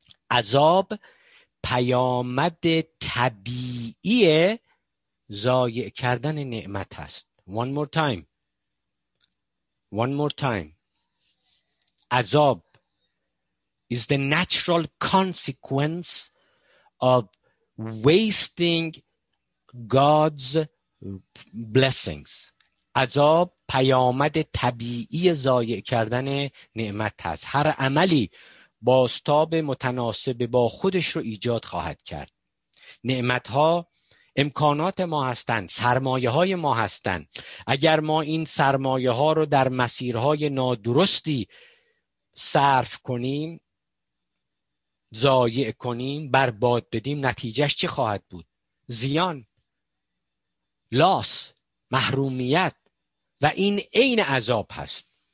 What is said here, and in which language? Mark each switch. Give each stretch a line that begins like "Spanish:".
Persian: عذاب پیامد طبیعی ضایع کردن نعمت هست.
English: One more time. عذاب is the natural consequence of wasting God's blessings.
Persian: عذاب پیامد طبیعی ضایع کردن نعمت هست. هر عملی بازتاب متناسب با خودش رو ایجاد خواهد کرد. نعمت ها امکانات ما هستند، سرمایه های ما هستند. اگر ما این سرمایه ها رو در مسیرهای نادرستی صرف کنیم، ضایع کنیم، برباد بدیم، نتیجهش چی خواهد بود؟ زیان، لاس، محرومیت و این عین عذاب هست.